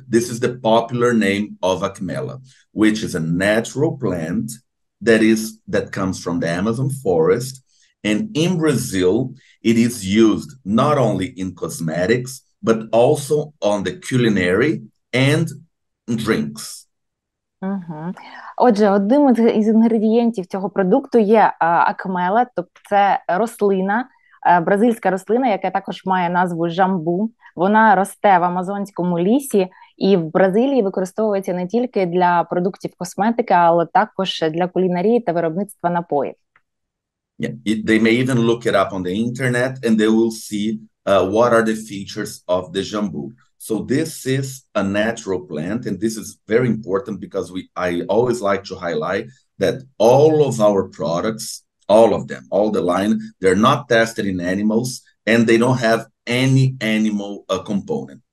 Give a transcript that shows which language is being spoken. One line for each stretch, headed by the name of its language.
English: This is the popular name of Acmella, which is a natural plant that comes from the Amazon forest. And in Brazil, it is used not only in cosmetics, but also on the culinary and drinks. Угу.
Ukrainian: Отже, одним із інгредієнтів цього продукту є акмела, тобто це рослина, бразильська рослина, яка також має назву жамбу. Вона росте в амазонському лісі і в Бразилії використовується не тільки для продуктів косметики, але також для кулінарії та виробництва напоїв.
English: Yeah, they may even look it up on the internet and they will see what are the features of the jambu. So this is a natural plant, and this is very important because I always like to highlight that all of our products, all of them, all the line, they're not tested in animals, and they don't have any animal component.